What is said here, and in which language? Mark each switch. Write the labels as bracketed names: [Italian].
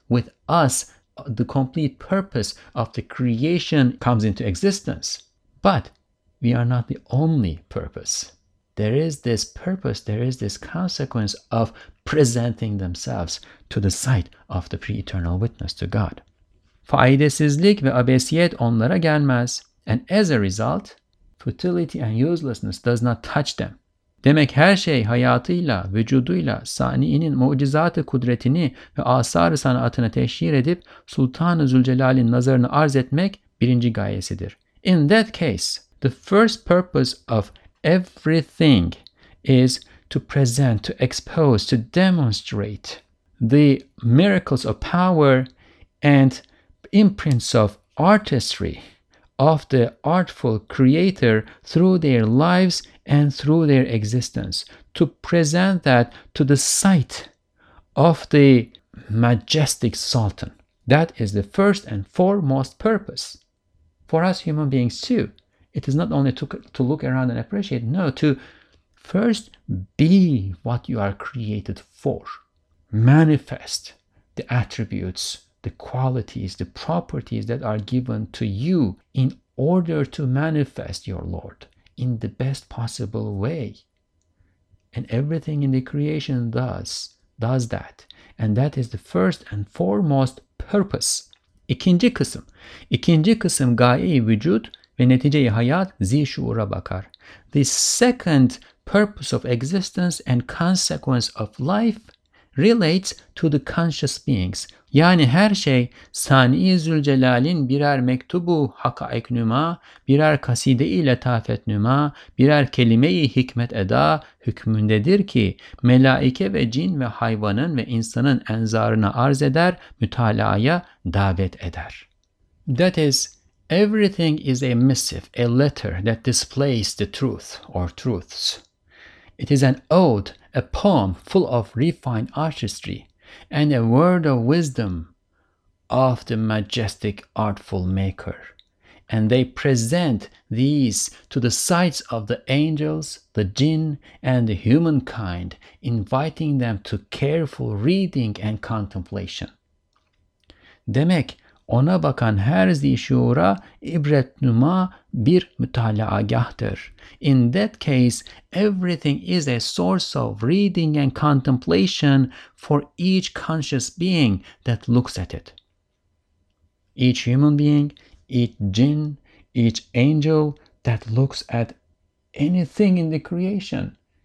[English] With us, the complete purpose of the creation comes into existence. But we are not the only purpose. There is this purpose, there is this consequence of presenting themselves to the sight of the pre-eternal witness to God. [Turkish] Faydasızlık ve abesiyet onlara gelmez. [English] And as a result, futility and uselessness does not touch them. [Turkish] Demek her şey hayatıyla, vücuduyla, saniyenin mucizatı kudretini ve asar-ı sanatını teşhir edip Sultan-ı Zülcelal'in nazarını arz etmek birinci gayesidir. [English] In that case, the first purpose of everything is to present, to expose, to demonstrate the miracles of power and imprints of artistry of the artful creator through their lives and through their existence, to present that to the sight of the majestic Sultan. That is the first and foremost purpose for us human beings too. It is not only to look around and appreciate, no, to first be what you are created for. Manifest the attributes, the qualities, the properties that are given to you in order to manifest your Lord in the best possible way. And everything in the creation does that. And that is the first and foremost purpose. [Turkish] İkinci kısım. İkinci kısım gaye-i vücut ve neticeyi hayat zişuura bakar. [English] The second purpose of existence and consequence of life relates to the conscious beings. [Turkish] Yani her şey Sani-i Zülcelal'in birer mektubu hakaik nüma, birer kaside ile latafet nüma, birer kelime-i hikmet eda hükmündedir ki melaike ve cin ve hayvanın ve insanın enzarına arz eder, mütalaya davet eder. [English] That is, everything is a missive, a letter that displays the truth or truths. It is an ode, a poem full of refined artistry, and a word of wisdom of the majestic artful maker. And they present these to the sights of the angels, the jinn, and the humankind, inviting them to careful reading and contemplation. [Turkish] Demek, ona bakan her zişura ibretnuma bir mütalaagahtır. [English] In that case, everything is a source of reading and contemplation for each conscious being that looks at it. Each human being, each jinn, each angel that looks at anything in the creation.